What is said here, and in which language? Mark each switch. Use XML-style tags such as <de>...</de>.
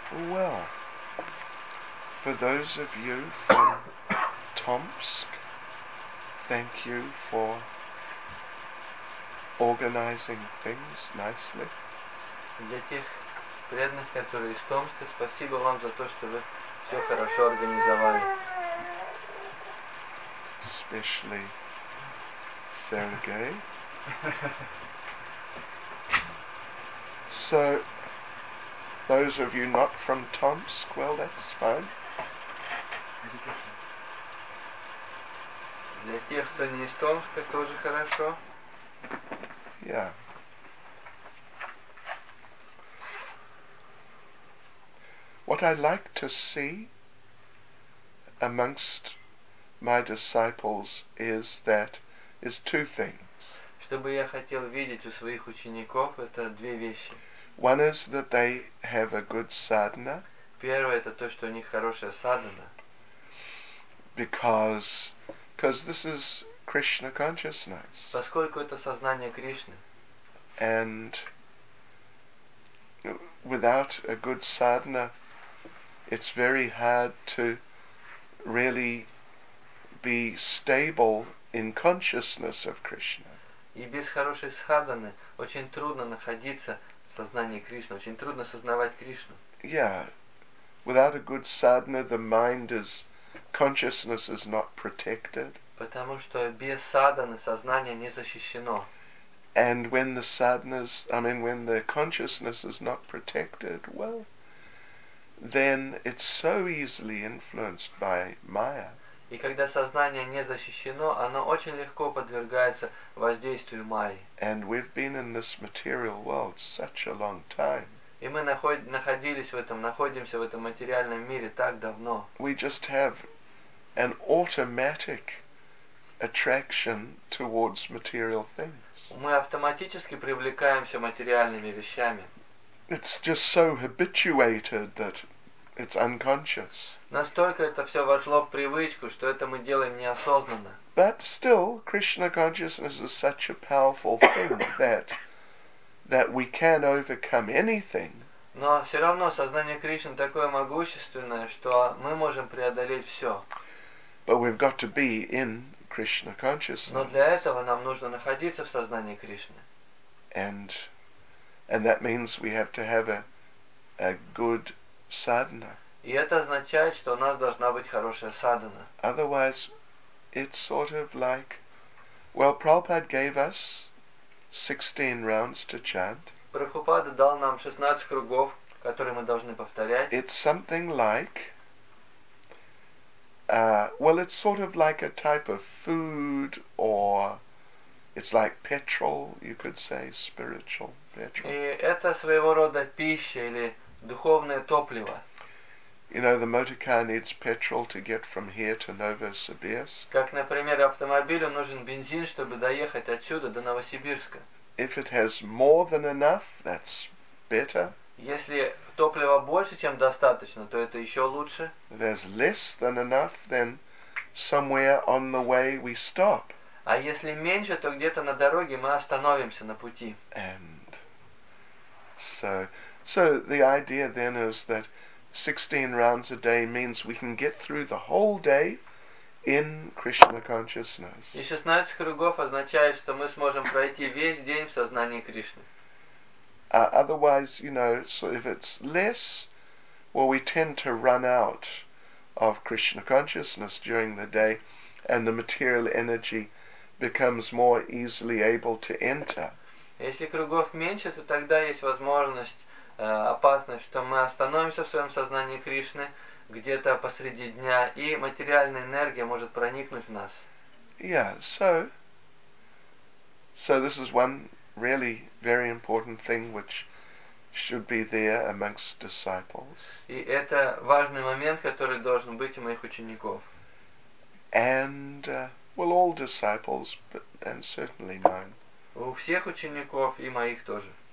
<en>Well, for those of you from Tomsk, thank you for organizing things nicely.</en> <ru>Для тех преданных, которые из Томска, спасибо вам за то, что вы все хорошо организовали.</ru> <en>Especially Sergei. So, those of you not from Tomsk, well, that's fine.</en> <ru>Для тех, кто не из Томска, тоже хорошо. Yeah.</ru> <en>What I like to see amongst my disciples is two things.</en> <ru>Что бы я хотел видеть у своих учеников, это две вещи.</ru> <en>One is that they have a good sadhana.</en> <ru>Первое, это то, что у них хорошая садхана.</ru> <en>Because this is Krishna consciousness.</en> <ru>Поскольку это сознание Кришны.</ru> <en>And without a good sadhana, it's very hard to really be stable in consciousness of Krishna.</en> <ru>И без хорошей садханы очень трудно находиться в сознании Кришны, очень трудно сознавать Кришну.</ru> <en>Yeah, without a good sadhana, the mind is, consciousness is not protected.</en> <ru>Потому что без садханы сознание не защищено.</ru> <en>And when the sadhana's, when the consciousness is not protected, well, then it's so easily influenced by Maya.</en> <ru>И когда сознание не защищено, оно очень легко подвергается воздействию Майи.</ru> <en>And we've been in this material world such a long time.</en> <ru>И мы находимся в этом материальном мире так давно.</ru> <en>We just have an automatic attraction towards material things.</en> <ru>Мы автоматически привлекаемся материальными вещами.</ru> <en>It's just so habituated that it's unconscious.</en> <ru>Настолько это все вошло в привычку, что это мы делаем неосознанно.</ru> <en>But still, Krishna consciousness is such a powerful thing that we can overcome anything.</en> <ru>Но все равно сознание Кришны такое могущественное, что мы можем преодолеть все.</ru> <en>But we've got to be in Krishna consciousness.</en> <ru>Но для этого нам нужно находиться в сознании Кришны.</ru> <en>And that means we have to have a good sadhana.</en> <ru>И это означает, что у нас должна быть хорошая садхана.</ru> <en>Otherwise, it's sort of like, well, Prabhupada gave us 16 rounds to chant.</en> <ru>Прабхупада дал нам 16 кругов, которые мы должны повторять.</ru> <en>It's something like, well, it's sort of like a type of food, or it's like petrol, you could say, spiritual petrol.</en> <ru>И это своего рода пища или духовное топливо.</ru> <en>You know, the motor car needs petrol to get from here to Novosibirsk.</en> <ru>Как, например, автомобилю нужен бензин, чтобы доехать отсюда до Новосибирска.</ru> <en>If it has more than enough, that's better.</en> <ru>Если топлива больше, чем достаточно, то это еще лучше.</ru> <en>There's less than enough, then somewhere on the way we stop.</en> <ru>А если меньше, то где-то на дороге мы остановимся на пути.</ru> <en>And so the idea then is that 16 rounds a day means we can get through the whole day in Krishna consciousness.</en> <ru>И 16 кругов означает, что мы сможем пройти весь день в сознании Кришны.</ru> <en>Otherwise, you know, so if it's less, well, we tend to run out of Krishna consciousness during the day, and the material energy becomes more easily able to enter.</en> <ru>Если кругов меньше, то тогда есть возможность, опасность, что мы остановимся в своем сознании Кришны где-то посреди дня, и материальная энергия может проникнуть в нас.</ru> <en>Yeah, so this is one really very important thing which should be there amongst disciples.</en> <ru>И это важный момент, который должен быть у моих учеников.</ru> <en>And well, all disciples, and certainly mine.</en> <ru>У всех учеников и моих тоже.</ru>